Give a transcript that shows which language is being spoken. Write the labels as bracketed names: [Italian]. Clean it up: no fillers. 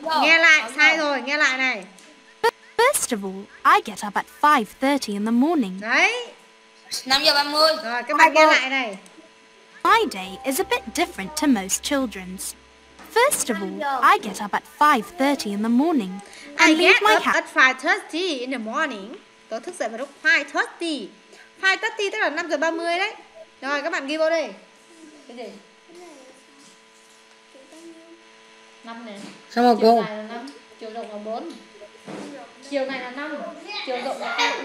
[Vietnamese] Nghe lại, sai rồi, nghe lại này. [English] First of all, I get up at 5:30 in the morning. [Vietnamese] Đấy. 5:30. Rồi, các bạn nghe lại này. [English] My day is a bit different to most children's. First of all, I get up at 5:30 in the morning. I get up at 5:30 in the morning. [Vietnamese] Tôi thức dậy vào lúc 5:30. 5:30 tức là 5:30 đấy. Rồi các bạn ghi vô đây. Cái gì? Năm này. Sao mà cô? Chiều dài là 5, chiều rộng là 4. Chiều này là 5, chiều rộng là 4.